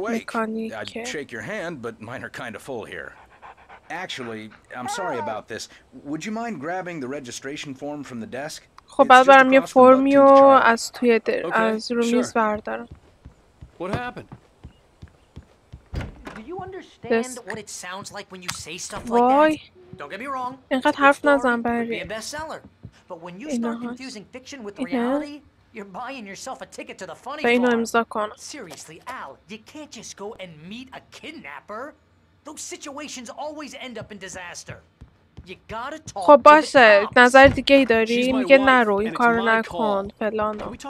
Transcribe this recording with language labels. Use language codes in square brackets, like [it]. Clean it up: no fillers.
[en] Wake, I'd shake your hand, but mine are kind of full here. Actually, I'm sorry about this. Would you mind grabbing the registration form from the desk? [fa] خب بعد برم یه فرمی رو از توی از رو میز بردارم. [en] What happened? Do you understand what it sounds like when you say stuff like that? Don't get me wrong. [fa] اینقدر حرف نزن برای. [en] But when you start confusing fiction with reality, you're buying yourself a ticket to the funny [fa] farm. اینو امضا کن. [en] Seriously, Al, you can't just go and meet a kidnapper. Those situations always end up in disaster. [fa] خب باشه نظر دیگه ای داری میگه نرو این کارو نکن فلان